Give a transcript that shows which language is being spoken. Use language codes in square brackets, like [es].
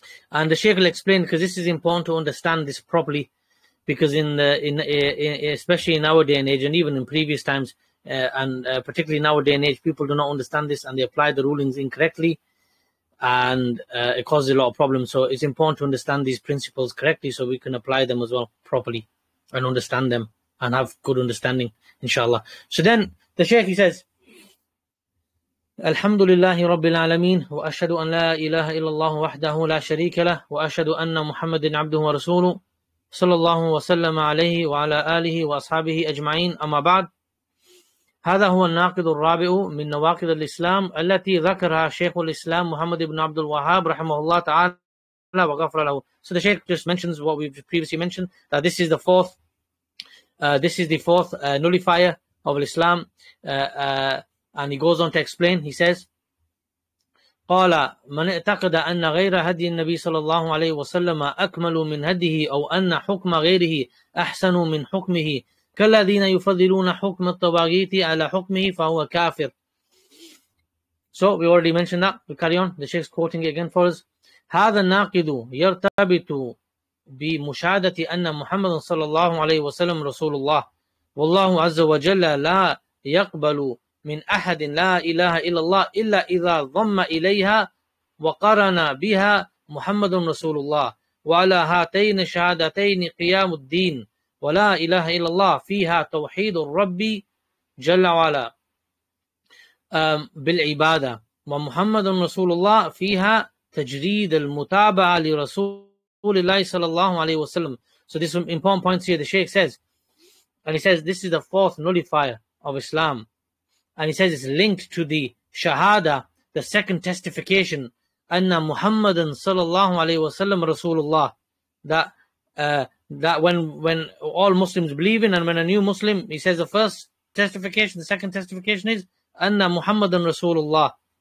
[en] And the Shaykh will explain, because this is important to understand this properly, because especially in our day and age, and even in previous times, particularly in our day and age, people do not understand this and they apply the rulings incorrectly, and it causes a lot of problems. So it's important to understand these principles correctly so we can apply them as well properly and understand them and have good understanding, inshallah. So then the Shaykh, he says, [ar] الحمد لله رب العالمين وأشهد أن لا إله إلا الله وحده لا شريك له وأشهد أن محمد عبده ورسوله صلى الله وسلم عليه وعلى آله وأصحابه أجمعين أما بعد هذا هو الناقد الرابع من نواقض الإسلام التي ذكرها شيخ الإسلام محمد بن عبد الوهاب رحمه الله تعالى وغفر له. [en] So the Shaykh just mentions what we've previously mentioned, that this is the fourth nullifier of Islam. And he goes on to explain. He says, [ar] قَالَ مَنْ اَعْتَقَدَ أَنَّ غَيْرَ هَدِي النَّبِي صَلَى اللَّهُ عَلَيْهِ وَسَلَّمَ أَكْمَلُ مِنْ هَدِهِ أَوْ أَنَّ حُكْمَ غَيْرِهِ أَحْسَنُ مِنْ حُكْمِهِ كَالَّذِينَ يُفَضِّلُونَ حُكْمَ الطَّوَاغِيتِ عَلَى حُكْمِهِ فَهُوَ كَافِرٌ. [en] So we already mentioned that. We carry on. The Shaykh's quoting it again for us. [ar] هَذَا النَّاقِدُ يَرْتَبِطُ بِمُشَاهَدَةِ أَنَّ مُحَمَّدًا صَلَّى اللَّهُ عَلَيْهِ وَسَلَّمَ رَسُولُ اللَّهِ وَاللَّهُ عَزَّ وَجَلَّ لَا يَقْبَلُ من أحد لا إله إلا الله إلا إذا ضم إليها وقرن بها محمد رسول الله وعلى هاتين شهادتين قيام الدين ولا إله إلا الله فيها توحيد الرب جل وعلا بالعبادة ومحمد رسول الله فيها تجريد المتابعة لرسول الله صلى الله عليه وسلم. [en] So this is an important point here. The Shaykh says, and he says, this is the fourth nullifier of Islam. And he says it's linked to the shahada, the second testification, [ar] anna Muhammadan sallallahu alayhi wa sallam Rasulullah, [en] that when all Muslims believe in, and when a new Muslim, he says the first testification, the second testification is [ar] anna Muhammadan Rasulullah.